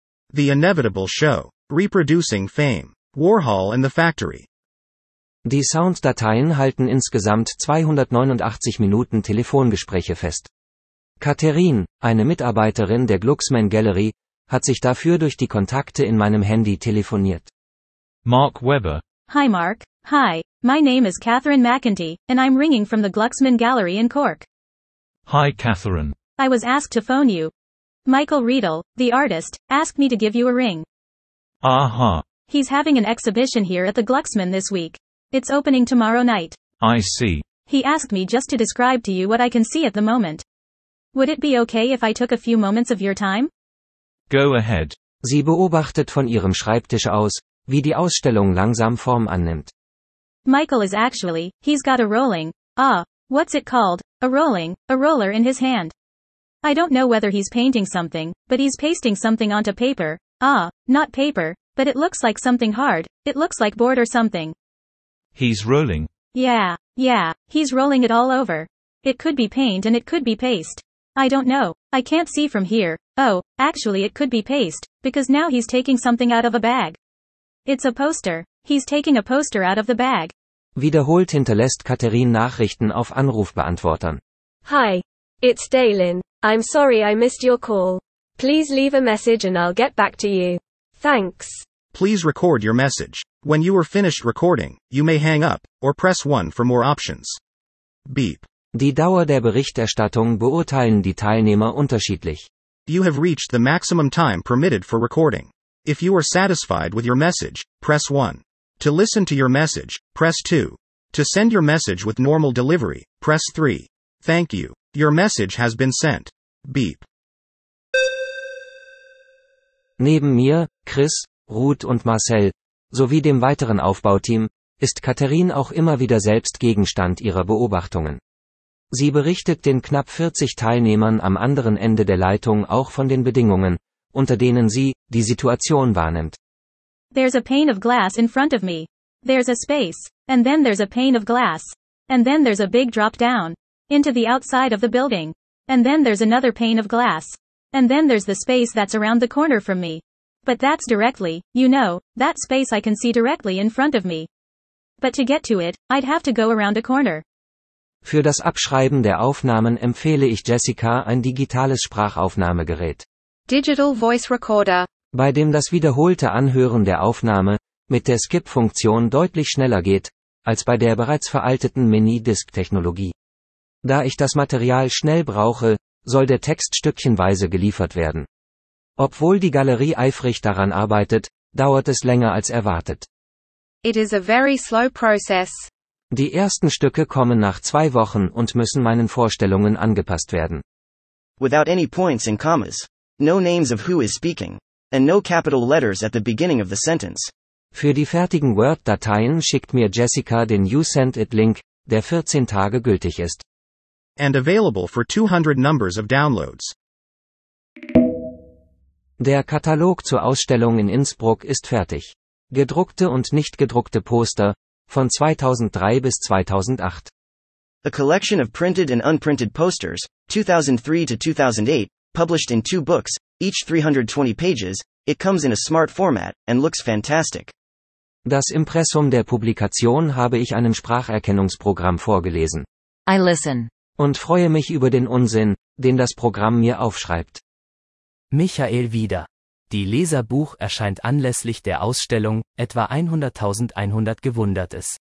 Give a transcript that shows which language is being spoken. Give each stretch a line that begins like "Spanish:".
English: The Inevitable Show. Reproducing Fame. Warhol and the Factory.
German: Die Sounddateien halten insgesamt 289 Minuten Telefongespräche fest. Katharine, eine Mitarbeiterin der Glucksmann Gallery, hat sich dafür durch die Kontakte in meinem Handy telefoniert.
English: Mark Weber. Hi Mark. Hi, my name is Catherine McEntee, and I'm ringing from the Glucksmann Gallery in Cork. Hi Catherine. I was asked to phone you. Michael Riedel, the artist, asked me to give you a ring. Aha. He's having an exhibition here at the Glucksmann this week. It's opening tomorrow night. I see. He asked me just to describe to you what I can see at the moment. Would it be okay if I took a few moments of your time? Go ahead.
German: Sie beobachtet von ihrem Schreibtisch aus, wie die Ausstellung langsam Form annimmt.
English: Michael is actually, he's got a rolling, what's it called? A roller in his hand. I don't know whether he's painting something, but he's pasting something onto paper, not paper, but it looks like something hard, it looks like board or something. He's rolling. Yeah, he's rolling it all over. It could be paint and it could be paste. I don't know, I can't see from here, actually it could be paste, because now he's taking something out of a bag. It's a poster. He's taking a poster out of the bag.
German: Wiederholt hinterlässt Katharine Nachrichten auf Anrufbeantwortern.
English: Hi. It's Daylin. I'm sorry I missed your call. Please leave a message and I'll get back to you. Thanks. Please record your message. When you are finished recording, you may hang up or press 1 for more options. Beep.
German: Die Dauer der Berichterstattung beurteilen die Teilnehmer unterschiedlich.
English: You have reached the maximum time permitted for recording. If you are satisfied with your message, press 1. To listen to your message, press 2. To send your message with normal delivery, press 3. Thank you. Your message has been sent. Beep.
German: Neben mir, Chris, Ruth und Marcel, sowie dem weiteren Aufbauteam, ist Katharine auch immer wieder selbst Gegenstand ihrer Beobachtungen. Sie berichtet den knapp 40 Teilnehmern am anderen Ende der Leitung auch von den Bedingungen, unter denen sie die Situation wahrnimmt.
English: There's a pane of glass in front of me. There's a space. And then there's a pane of glass. And then there's a big drop down. Into the outside of the building. And then there's another pane of glass. And then there's the space that's around the corner from me. But that's directly, you know, that space I can see directly in front of me. But to get to it, I'd have to go around a corner.
German: Für das Abschreiben der Aufnahmen empfehle ich Jessica ein digitales Sprachaufnahmegerät.
English: Digital Voice Recorder.
German: Bei dem das wiederholte Anhören der Aufnahme mit der Skip-Funktion deutlich schneller geht, als bei der bereits veralteten Mini-Disc-Technologie. Da ich das Material schnell brauche, soll der Text stückchenweise geliefert werden. Obwohl die Galerie eifrig daran arbeitet, dauert es länger als erwartet.
English: It is a very slow process.
German: Die ersten Stücke kommen nach 2 Wochen und müssen meinen Vorstellungen angepasst werden.
English: Without any points and commas. No names of who is speaking. And no capital letters at the beginning of the sentence.
German: Für die fertigen Word-Dateien schickt mir Jessica den YouSendIt-Link, der 14 Tage gültig ist.
English: And available for 200 numbers of downloads.
German: Der Katalog zur Ausstellung in Innsbruck ist fertig. Gedruckte und nicht gedruckte Poster, von 2003 bis 2008.
English: A collection of printed and unprinted posters, 2003 to 2008, published in 2 books, each 320 pages, it comes in a smart format, and looks fantastic.
German: Das Impressum der Publikation habe ich einem Spracherkennungsprogramm vorgelesen.
English: I listen.
German: Und freue mich über den Unsinn, den das Programm mir aufschreibt. Michael wieder. Die Leserbuch erscheint anlässlich der Ausstellung, etwa 100.100 Gewundertes.